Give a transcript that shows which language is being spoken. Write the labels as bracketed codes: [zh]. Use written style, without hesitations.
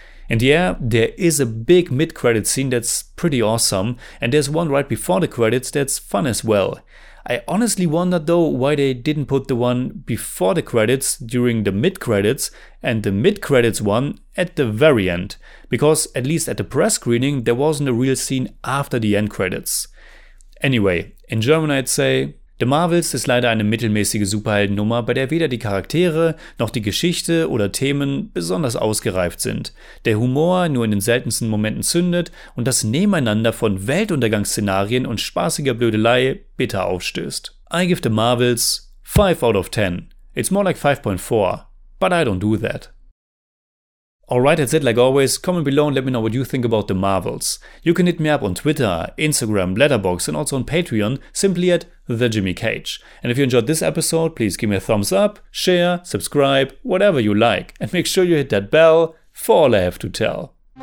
[en] And yeah, there is a big mid-credit scene that's pretty awesome, and there's one right before the credits that's fun as well. I honestly wonder though why they didn't put the one before the credits during the mid-credits and the mid-credits one at the very end, because at least at the press screening there wasn't a real scene after the end credits. Anyway, in German I'd say, [de] The Marvels ist leider eine mittelmäßige Superheldennummer, bei der weder die Charaktere noch die Geschichte oder Themen besonders ausgereift sind, der Humor nur in den seltensten Momenten zündet und das Nebeneinander von Weltuntergangsszenarien und spaßiger Blödelei bitter aufstößt. [en] I give The Marvels 5 out of 10. It's more like 5.4, but I don't do that. Alright, that's it. Like always, comment below and let me know what you think about The Marvels. You can hit me up on Twitter, Instagram, Letterboxd and also on Patreon, simply at TheJimmyCage. And if you enjoyed this episode, please give me a thumbs up, share, subscribe, whatever you like. And make sure you hit that bell for all I have to tell.